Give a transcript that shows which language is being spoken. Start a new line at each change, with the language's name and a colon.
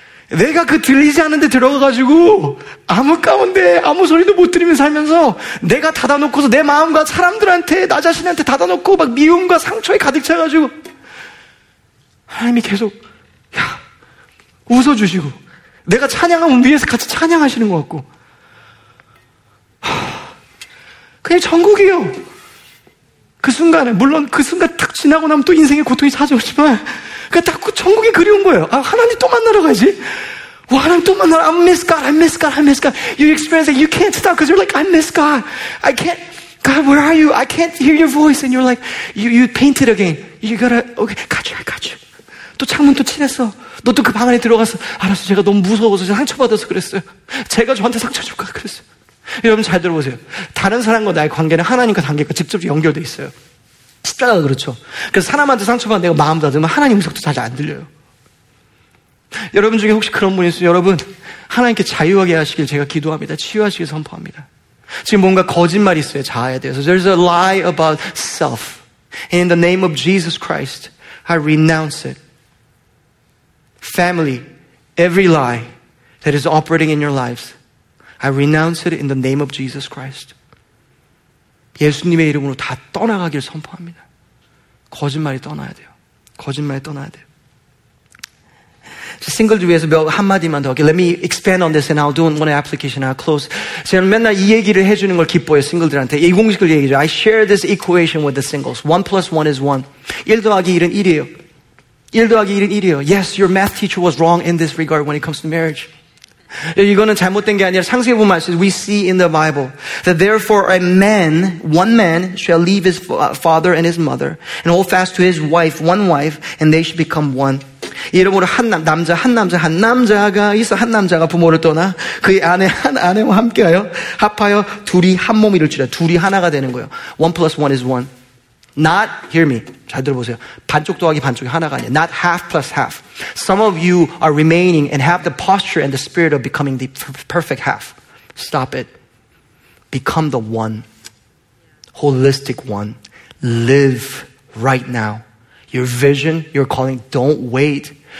Korean: 내가 그 들리지 않은 데 들어가가지고 아무 가운데 아무 소리도 못 들으면 살면서 내가 닫아놓고서 내 마음과 사람들한테 나 자신한테 닫아놓고 막 미움과 상처에 가득 차가지고 하나님이 계속 야 웃어주시고 내가 찬양하면 위에서 같이 찬양하시는 것 같고 그냥 천국이요. 그 순간에 물론 그 순간 딱 지나고 나면 또 인생의 고통이 찾아오지만 그러니까 딱 그 천국이 그리운 거예요. 아, 하나님 또 만나러 가야지. 와, 하나님 또 만나러.
English: I miss God. You experience that. You can't stop because you're like, I miss God. I can't, God, where are you? I can't hear your voice. And you're like, you painted again. You gotta, okay, got you, I got you.
Korean: 또 창문 또 칠했어. 너 또 그 방 안에 들어가서, 알았어, 제가 너무 무서워서 상처받아서 그랬어요. 제가 저한테 상처 줄까 그랬어요. 여러분 잘 들어보세요. 다른 사람과 나의 관계는 하나님과 관계가 직접 연결되어 있어요. 숫자가 그렇죠. 그래서 사람한테 상처받은 내가 마음 닫으면 하나님 음성도 잘 안 들려요. 여러분 중에 혹시 그런 분이 있으면 여러분 하나님께 자유하게 하시길 제가 기도합니다. 치유하시길 선포합니다. 지금 뭔가 거짓말이 있어요. 자아에 대해서.
English: There's a lie about self. In the name of Jesus Christ, I renounce it. Family, every lie that is operating in your lives, I renounce it in the name of Jesus Christ.
Korean: 예수님의 이름으로 다 떠나가길 선포합니다. 거짓말이 떠나야 돼요. 거짓말이 떠나야 돼요. 싱글들 위해서 몇 한마디만 더 할게요.
English: Let me expand on this and I'll do one application. I'll close.
Korean: 저는 맨날 이 얘기를 해주는 걸 기뻐해요. 싱글들한테. 이 공식을 얘기죠.
English: I share this equation with the singles. 1 plus 1 is 1.
Korean: 1 더하기 1은 1이에요. 1 더하기 1은 1이에요.
English: Yes, your math teacher was wrong in this regard when it comes to marriage.
Korean: 이거는 잘못된 게 아니라 상세히 보면 말씀.
English: We see in the Bible that therefore a man, one man shall leave his father and his mother and hold fast to his wife, one wife, and they should become one.
Korean: 이름으로 한 남자가 부모를 떠나 그의 아내 한 아내와 함께하여 합하여 둘이 한 몸이를 지라 둘이 하나가 되는 거예요.
English: One plus one is one. Not, hear me,
Korean: 잘 들어보세요. 반쪽 더하기 반쪽이 하나가 아니에요.
English: Not half plus half. Some of you are remaining and have the posture and the spirit of becoming the perfect half. Stop it. Become the one. Holistic one. Live right now. Your vision, your calling, don't wait.